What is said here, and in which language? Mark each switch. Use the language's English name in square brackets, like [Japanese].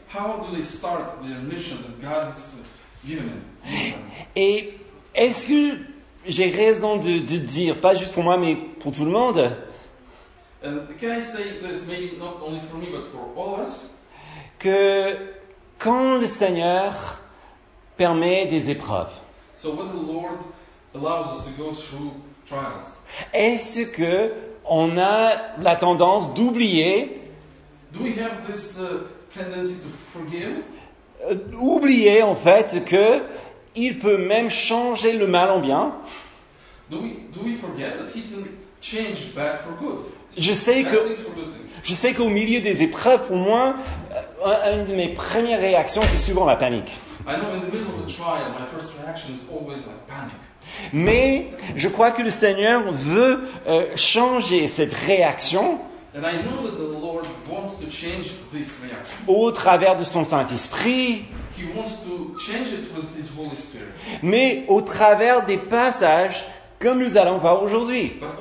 [English] How do they start their mission that God has given them? [French] Et est-ce que j'ai raison de dire, pas juste pour moi, mais pour tout le monde? [English] Can I say this maybe not only for me but for all of us? [French] Que quand le Seigneur permet des épreuves, [English] so when the Lord allows us to go through trials, [French] est-ce que on a la tendance d'oublier? [English] Do we have this tendency to forgive? [French] Oublier en fait que il peut même changer le mal en bien. [English] Do we forget that he can change bad for good? [French] Je sais qu'au milieu des épreuves, pour moi, une de mes premières réactions, c'est souvent la panique. [English] I know in the middle of the trial, my first reaction is always like panic. [French] Mais je crois que le Seigneur veut changer cette réaction. [English] And I know that the Lord wants to change this reaction. [French] Au travers de son Saint-Esprit. [English] He wants to change it with his Holy Spirit. [French] Mais au travers des passages comme nous allons voir aujourd'hui.